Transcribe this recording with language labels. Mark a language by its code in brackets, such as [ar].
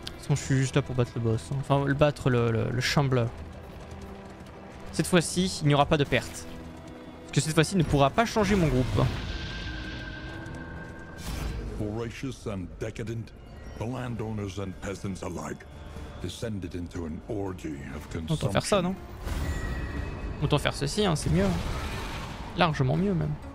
[fr] Je suis juste là pour battre le boss, enfin le battre le chambler. Cette fois-ci, il n'y aura pas de perte. Parce que cette fois-ci, il ne pourra pas changer mon groupe. [en] Voracious and decadent, the landowners and peasants alike descended into an orgy of consumption. [fr] Autant faire ça, non? Autant faire ceci, hein, c'est mieux. Largement mieux, même.